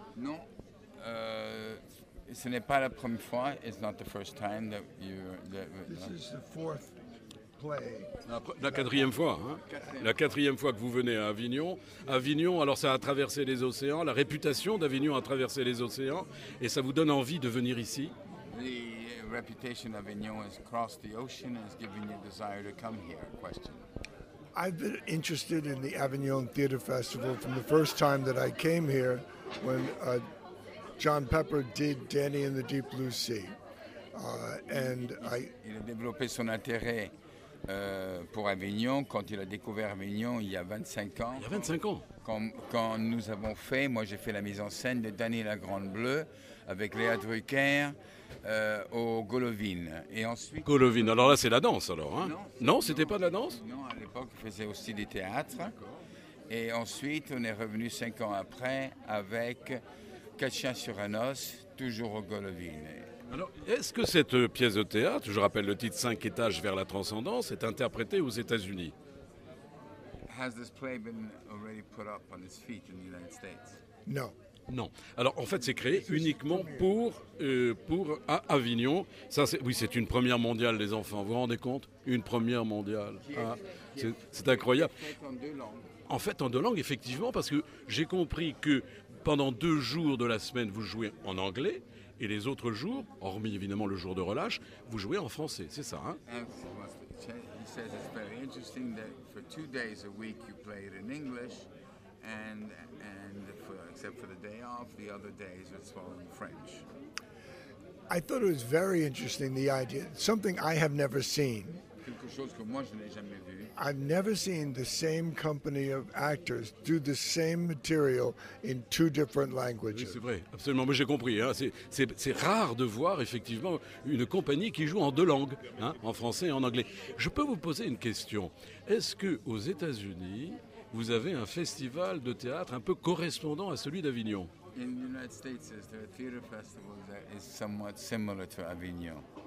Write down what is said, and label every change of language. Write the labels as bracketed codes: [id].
[fr] Non, ce n'est pas la première fois. [en] It's not the first time that you... This is the 4th play. [fr] La quatrième fois que vous venez à Avignon. Avignon, alors ça a traversé les océans, la réputation d'Avignon a traversé les océans, et ça vous donne envie de venir ici. [en] The reputation of Avignon has crossed the ocean and has given you a desire to come here. Question. I've been interested in the Avignon Theater Festival from the first time that I came here when John Pepper did Danny in the Deep Blue Sea. [fr] Il a développé son intérêt pour Avignon quand il a découvert Avignon il y a 25 ans. Il y a 25 ans. Quand nous avons fait, moi j'ai fait la mise en scène de Danny la Grande Bleue avec Léa Drucker. Au Golovin. Et ensuite. Golovin, alors là c'est la danse alors, hein? Non, c'était pas de la danse? Non, à l'époque il faisait aussi du théâtre. Et ensuite on est revenu 5 ans après avec Quatre chiens sur un os, toujours au Golovin. Alors est-ce que cette pièce de théâtre, je rappelle le titre 5 étages vers la transcendance, est interprétée aux États-Unis? [en] Has this play been already put up on its feet in the United States? [fr] Non. Non. Alors, en fait, c'est créé uniquement pour Avignon. Ça, c'est une première mondiale, les enfants. Vous vous rendez compte? Une première mondiale. C'est incroyable. En fait, en deux langues, effectivement, parce que j'ai compris que pendant 2 jours de la semaine, vous jouez en anglais, et les autres jours, hormis évidemment le jour de relâche, vous jouez en français. C'est ça, hein? [en] He says it's very interesting that for 2 days a week you play it in English. And for, except for the day off, the other days it's all in French. I thought it was very interesting, the idea, something I have never seen. [fr] chose que moi je n'ai jamais vu. [en] I've never seen the same company of actors do the same material in two different languages. [fr] Oui, c'est vrai, absolument. Moi j'ai compris. Hein. C'est rare de voir effectivement une compagnie qui joue en deux langues, hein, en français et en anglais. Je peux vous poser une question. Est-ce que aux États-Unis vous avez un festival de théâtre un peu correspondant à celui d'Avignon? [en] In the United States, is there a theater festival that is somewhat similar to Avignon?